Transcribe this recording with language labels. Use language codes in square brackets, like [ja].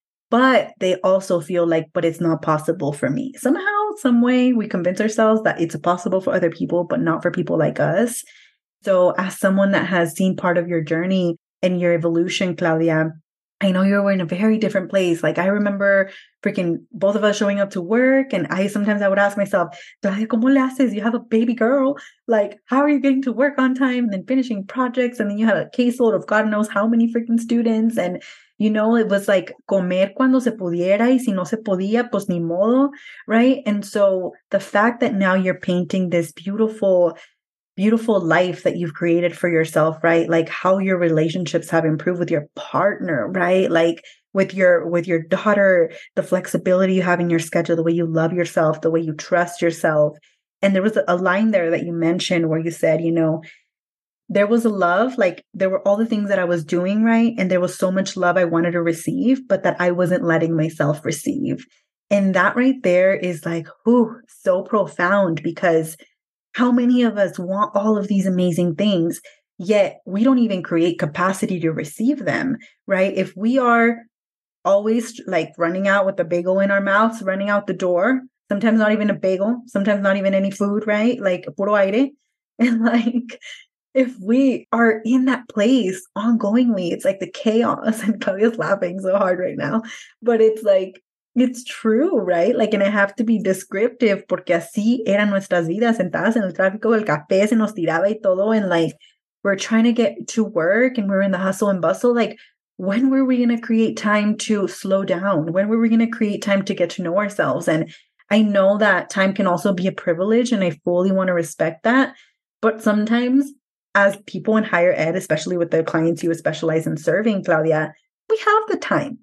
[en] But they also feel like, but it's not possible for me. Somehow, some way we convince ourselves that it's possible for other people, but not for people like us. So as someone that has seen part of your journey and your evolution, Claudia, I know you were in a very different place. Like I remember freaking both of us showing up to work. And I would ask myself, [es] ¿cómo le haces? [en] You have a baby girl. Like, how are you getting to work on time and then finishing projects? And then you have a caseload of God knows how many freaking students. And, you know, it was like [es] comer cuando se pudiera y si no se podía, pues ni modo. [en] Right. And so the fact that now you're painting this beautiful, beautiful life that you've created for yourself, right? Like how your relationships have improved with your partner, right? Like with your daughter, the flexibility you have in your schedule, the way you love yourself, the way you trust yourself. And there was a line there that you mentioned where you said, you know, there was a love, like there were all the things that I was doing right. And there was so much love I wanted to receive, but that I wasn't letting myself receive. And that right there is like, ooh, so profound, because how many of us want all of these amazing things, yet we don't even create capacity to receive them, right? If we are always like running out with a bagel in our mouths, running out the door, sometimes not even a bagel, sometimes not even any food, right? Like [es] puro aire. [en] And like, if we are in that place ongoingly, it's like the chaos, and Claudia's laughing so hard right now, but it's like, it's true, right? Like, and I have to be descriptive, [es] porque así eran nuestras vidas, sentadas en el tráfico, el café se nos tiraba y todo. [en] And like, we're trying to get to work and we're in the hustle and bustle. Like, when were we going to create time to slow down? When were we going to create time to get to know ourselves? And I know that time can also be a privilege, and I fully want to respect that. But sometimes, as people in higher ed, especially with the clients you specialize in serving, Claudia, we have the time.